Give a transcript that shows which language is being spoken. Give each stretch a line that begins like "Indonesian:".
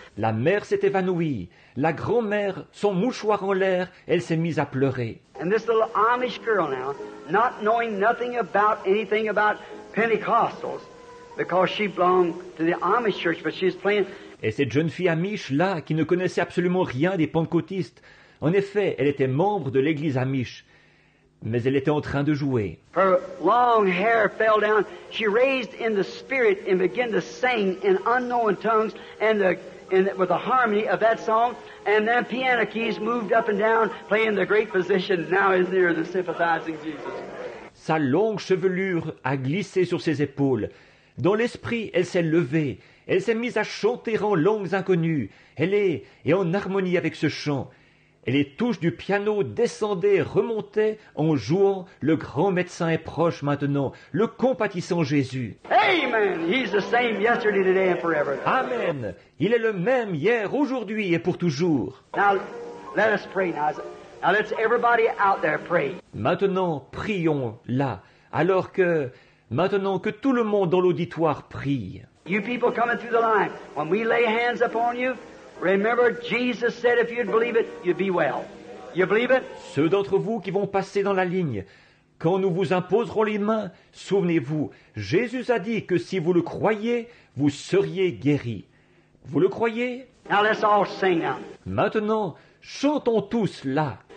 French: La mère s'est évanouie. La grand-mère, son mouchoir en l'air, elle s'est mise à pleurer.
English: And this little Amish girl now, not knowing nothing about anything about Pentecostals, because she belonged to the Amish church, but she's playing.
French: Et cette jeune fille Amish là, qui ne connaissait absolument rien des pentecôtistes, en effet, elle était membre de l'église Amish, mais elle était en train de jouer.
English: Her long hair fell down. She raised in the spirit and began to sing in unknown tongues, and the in the, with the harmony of that song, and then piano keys moved up and down, playing the great position, now is near the sympathizing Jesus.
French: Sa longue chevelure a glissé sur ses épaules. Dans l'esprit, elle s'est levée. Elle s'est mise à chanter en langues inconnues. Elle est et en harmonie avec ce chant. Et les touches du piano descendaient, remontaient en jouant « Le grand médecin est proche maintenant, le compatissant Jésus ». Amen.
English: He's the same yesterday, today and forever. Amen.
French: Il est le même hier, aujourd'hui et pour toujours.
English: Now, let us pray now. Now let's everybody out there pray.
French: Maintenant, prions là, alors que maintenant que tout le monde dans l'auditoire prie.
English: You people coming through the line, when we lay hands upon you, remember Jesus said if you'd believe it, you'd be well. You believe it?
French: Ceux d'entre vous qui vont passer dans la ligne, quand nous vous imposerons les mains, souvenez-vous, Jésus a dit que si vous le croyez, vous seriez guéri. Vous le croyez?
English: Now let's all sing now.
French: Maintenant, chantons tous là.